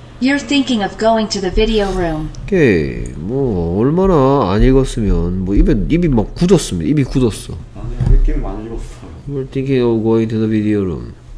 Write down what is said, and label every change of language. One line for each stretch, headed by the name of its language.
English: You're thinking of going to the video room.
Korean: 오케이. 뭐 얼마나 안 읽었으면 뭐 입이 막 굳었습니다. 입이 굳었어. 아니, 느낌 많이 읽었어요.
English: You're thinking of going to the video room.